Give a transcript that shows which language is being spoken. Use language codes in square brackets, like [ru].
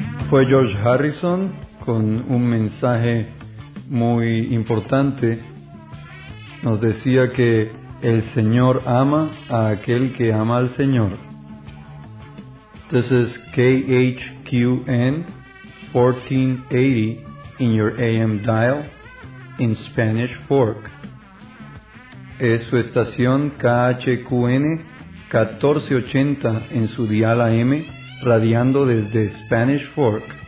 [es] fue George Harrison con un mensaje muy importante. Nos decía que el Señor ama a aquel que ama al Señor. [en] This is KHQN 1480 in your AM dial in Spanish Fork. [es] Es su estación KHQN 1480 en su dial AM, radiando desde Spanish Fork.